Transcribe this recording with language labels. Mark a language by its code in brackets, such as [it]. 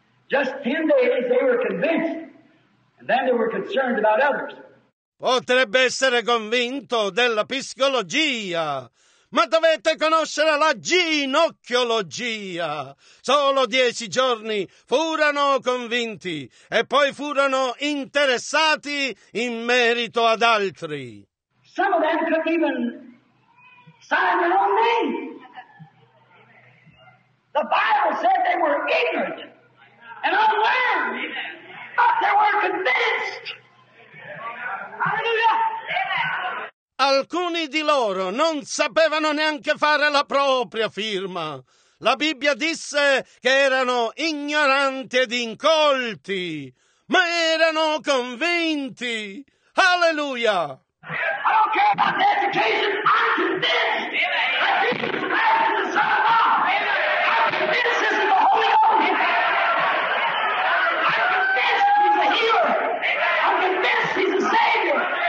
[en] Just 10 days they were convinced, and then they were concerned about others. [it] Potrebbe essere convinto della psicologia. Ma dovete conoscere la ginocchiologia. Solo 10 giorni furono convinti e poi furono interessati in merito ad altri. [en] Some of them could even sign their own name. The Bible said they were ignorant and unlearned, but they were convinced. Hallelujah. [it] Alcuni di loro non sapevano neanche fare la propria firma. La Bibbia disse che erano ignoranti ed incolti, ma erano convinti. Alleluia! [en] I don't care about the education, I'm convinced that Jesus Christ is the Son of God. I'm convinced this is the Holy Ghost. I'm convinced he's a healer. I'm convinced he's a savior.